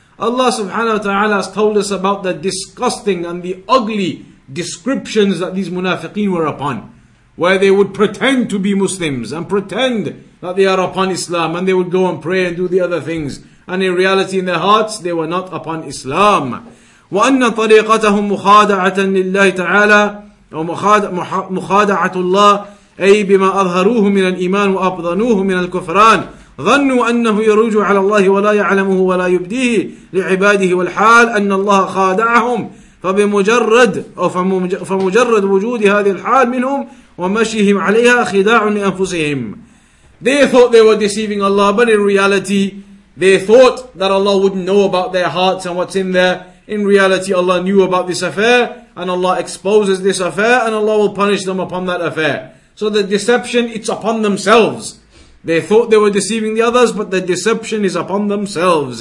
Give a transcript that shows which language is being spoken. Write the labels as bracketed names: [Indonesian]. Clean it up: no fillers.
[English] Allah subhanahu wa ta'ala has told us about the disgusting and the ugly descriptions that these munafiqeen were upon, where they would pretend to be Muslims and pretend that they are upon Islam, and they would go and pray and do the other things, and in reality in their hearts they were not upon Islam. [Arabic] وَأَنَّ طَرِيقَتَهُمْ مُخَادَعَةً لِلَّهِ تَعَالَى مُخَادَعَةُ اللَّهِ أَيْ بِمَا أَظْهَرُوهُ مِنَ الْإِيمَانِ وَأَبْضَنُوهُ مِنَ الْكُفْرَانِ ظنوا أنه يروج على الله ولا يعلمه ولا يبديه لعباده والحال أن الله خادعهم فمجرد وجود هذه الحال منهم ومشيهم عليها خداع لأنفسهم. [English] They thought they were deceiving Allah, but in reality they thought that Allah wouldn't know about their hearts and what's in there. In reality Allah knew about this affair, and Allah exposes this affair, and Allah will punish them upon that affair. So the deception, it's upon themselves. They thought they were deceiving the others, but the deception is upon themselves.